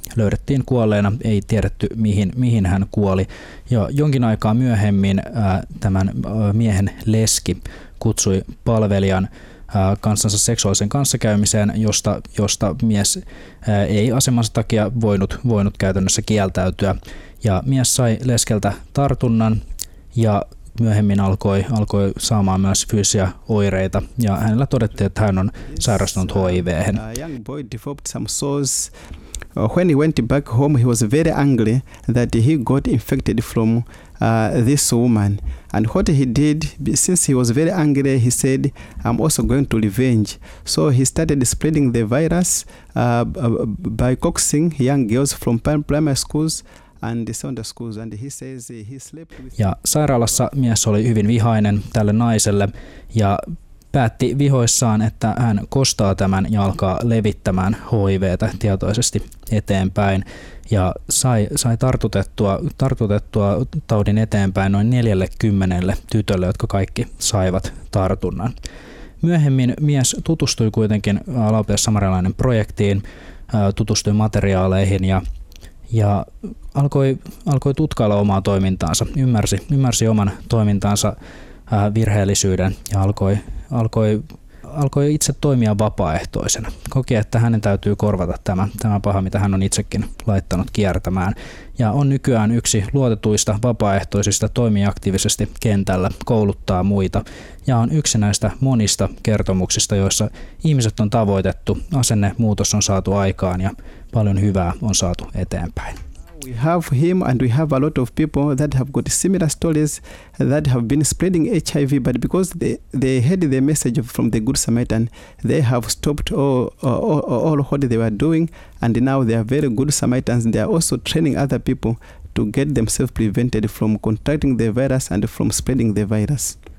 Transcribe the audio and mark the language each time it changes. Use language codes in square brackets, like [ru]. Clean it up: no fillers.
[fi] Löydettiin kuolleena, ei tiedetty mihin hän kuoli, ja jonkin aikaa myöhemmin tämän miehen leski kutsui palvelijan kanssansa seksuaalisen kanssakäymiseen, josta mies ei asemansa takia voinut käytännössä kieltäytyä. Ja mies sai leskeltä tartunnan ja myöhemmin alkoi saamaan myös fyysisiä oireita, ja hänellä todettiin, että hän on sairastunut HIV:hen. [en] Young boy developed some sores. When he went back home, he was very angry that he got infected from this woman. And what he did, since he was very angry, he said, I'm also going to revenge. So he started spreading the virus by coaxing young girls from primary schools and secondary schools. And he says he slept with... [fi] Ja sairaalassa mies oli hyvin vihainen tälle naiselle ja päätti vihoissaan, että hän kostaa tämän ja alkaa levittämään HIV:tä tietoisesti eteenpäin. Ja sai tartutettua taudin eteenpäin noin 40 tytölle, jotka kaikki saivat tartunnan. Myöhemmin mies tutustui kuitenkin Laupias Samarialainen -projektiin, tutustui materiaaleihin ja alkoi tutkailla omaa toimintaansa, ymmärsi oman toimintaansa virheellisyyden ja alkoi alkoi itse toimia vapaaehtoisena. Koki, että hänen täytyy korvata tämä paha, mitä hän on itsekin laittanut kiertämään. Ja on nykyään yksi luotetuista vapaaehtoisista, toimii aktiivisesti kentällä, kouluttaa muita. Ja on yksi näistä monista kertomuksista, joissa ihmiset on tavoitettu, asennemuutos on saatu aikaan ja paljon hyvää on saatu eteenpäin. [en] We have him and we have a lot of people that have got similar stories that have been spreading HIV, but because they heard the message from the Good Samaritan, they have stopped all what they were doing, and now they are very good Samaritans. They are also training other people to get themselves prevented from contracting the virus and from spreading the virus.